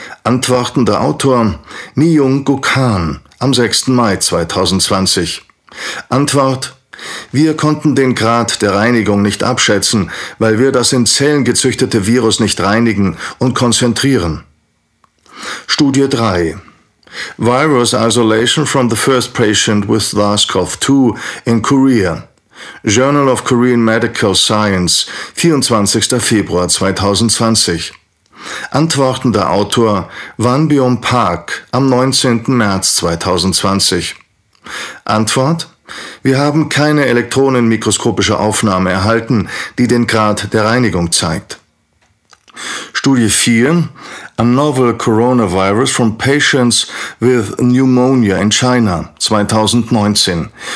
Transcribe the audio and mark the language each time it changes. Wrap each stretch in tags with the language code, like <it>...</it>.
<de>Antwortender Autor Myung Guk Han am 6. Mai 2020. Antwort: Wir konnten den Grad der Reinigung nicht abschätzen, weil wir das in Zellen gezüchtete Virus nicht reinigen und konzentrieren. Studie 3.</de> <en>Virus isolation from the first patient with SARS-CoV-2 in Korea. Journal of Korean Medical Science, 24.</en> <de>Februar 2020. Antwortender Autor Wan Byung Park am 19. März 2020. Antwort: Wir haben keine elektronenmikroskopische Aufnahme erhalten, die den Grad der Reinigung zeigt. Studie 4.</de> <en>A novel coronavirus from patients with pneumonia in China, 2019.</en>